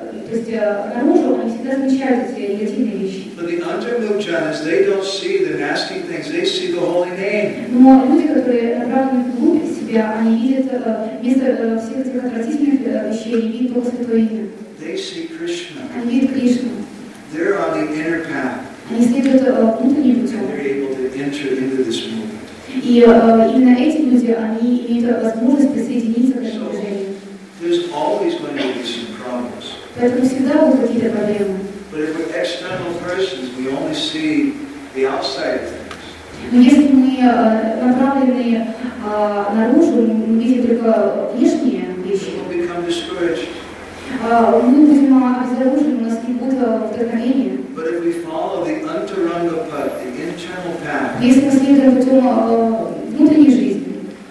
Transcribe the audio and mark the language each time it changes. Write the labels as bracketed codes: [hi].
[ru] То есть наружу они всегда замечают эти негативные вещи. [en] But the undermukhjanas, they don't see the nasty things, they see the holy name. [ru] Но люди, которые направлены вглубь в себя, они видят вместо всех этих отвратительных вещей, они видят только Святое Имя. [en] They see Krishna. [ru] Они видят Кришну. [en] They're on the inner path. [ru] Они следуют внутренним путем. [en] And they're able to enter into this movement. [ru] И именно эти люди, они имеют возможность присоединиться к этому движению. [en] There's always going to be some problems. [ru] Поэтому всегда будут какие-то проблемы. [en] But if we're external persons, we only see the outside things. [ru] Но если мы направлены наружу, мы видим только внешние вещи. [en] We'll become discouraged. [ru] Мы будем обезоружены, у нас не будет вдохновения. [en] But if we follow the antaranga path, the internal path, [ru] если мы следуем путем внутренней жизни,